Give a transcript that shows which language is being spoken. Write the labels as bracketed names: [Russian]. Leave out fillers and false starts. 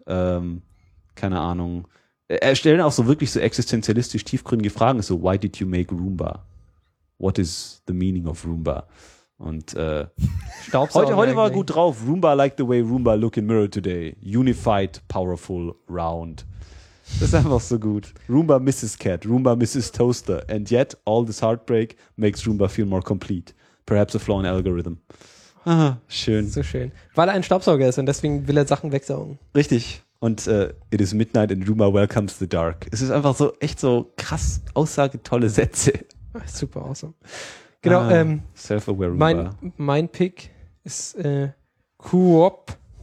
[German] Keine Ahnung. Er stellt auch so wirklich so existenzialistisch tiefgründige Fragen, so, [English] why did you make Roomba? What is the meaning of Roomba? [German] Und heute war er gut drauf. [English] Roomba liked the way Roomba look in mirror today. Unified, powerful, round. [German] Das ist einfach so gut. [English] Roomba Mrs. Cat, Roomba Mrs. Toaster. And yet, all this heartbreak makes Roomba feel more complete. Perhaps a flaw in algorithm. [German] Aha, schön. So schön. Weil er ein Staubsauger ist und deswegen will er Sachen wegsaugen. Richtig. Und [English] it is midnight and Roomba welcomes the dark. [German] Es ist einfach so echt so krass aussagetolle Sätze. [English] Super awesome. [German] Genau. [English] Self-aware Roomba. [German] Mein Pick ist Coop.